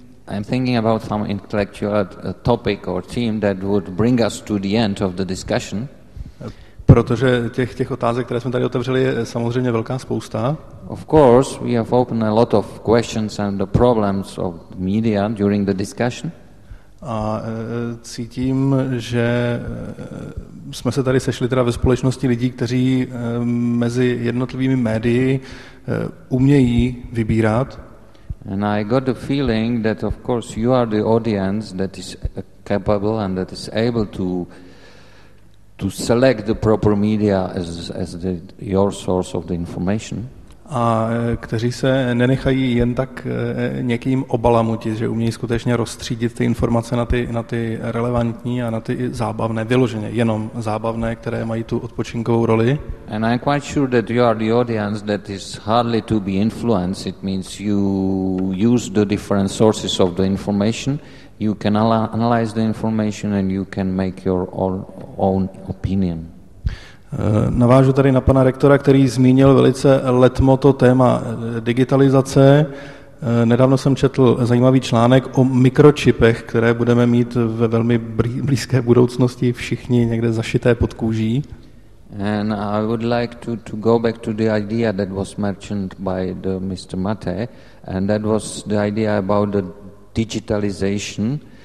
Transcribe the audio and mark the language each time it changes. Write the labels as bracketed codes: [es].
[en] I'm thinking about some intellectual topic or theme that would bring us to the end of the discussion. [cs] Protože těch otázek, které jsme tady otevřeli, je samozřejmě velká spousta. [en] Of course, we have opened a lot of questions and the problems of media during the discussion. [cs] A cítím, že jsme se tady sešli teda ve společnosti lidí, kteří mezi jednotlivými médii umějí vybírat. [en] And I got the feeling that of course you are the audience that is capable and that is able to select the proper media as the, your source of the information. [cs] A kteří se nenechají jen tak někým obalamutit, že umějí skutečně rozstřídit ty informace na ty relevantní a na ty zábavné, vyloženě jenom zábavné, které mají tu odpočinkovou roli. [en] And I'm quite sure that you are the audience that is hardly to be influenced. It means you use the different sources of the information, you can analyze the information and you can make your own opinion. [cs] Navážu tady na pana rektora, který zmínil velice letmo to téma digitalizace. Nedávno jsem četl zajímavý článek o mikročipech, které budeme mít ve velmi blízké budoucnosti všichni někde zašité pod kůží. [en] And I would like to go back to the idea that was mentioned by the Mr. Mate, and that was the idea about the digitalization.